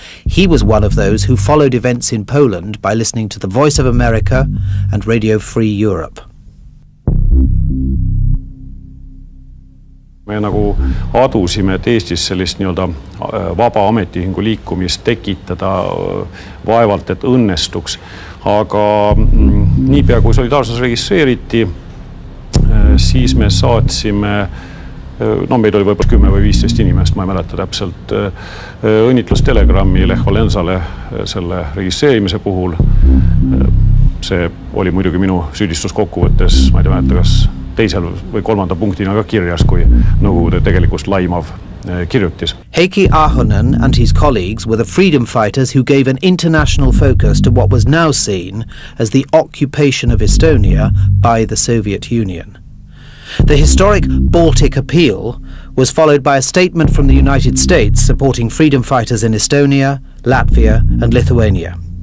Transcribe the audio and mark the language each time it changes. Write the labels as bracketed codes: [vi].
[en] He was one of those who followed events in Poland by listening to the Voice of America and Radio Free Europe. [et] Me nagu adusime, et Eestis sellist nii-öelda vaba ametiühingu liikumist tekitada vaevalt, et õnnestuks. Aga nii pea kui solidaarsus registreeriti, siis me saatsime, no meid oli võibolla 10 või 15 inimest, ma ei mäleta täpselt, õnnitlus telegrammi Lech Valensale selle registreerimise puhul. See oli muidugi minu süüdistus kokkuvõttes, ma ei mäleta, kas teisel või kolmanda punktina ka kirjas, kui Nõukogude tegelikust laimav kirjutis. [en] Heiki Ahonen and his colleagues were the freedom fighters who gave an international focus to what was now seen as the occupation of Estonia by the Soviet Union. The historic Baltic Appeal was followed by a statement from the United States supporting freedom fighters in Estonia, Latvia and Lithuania.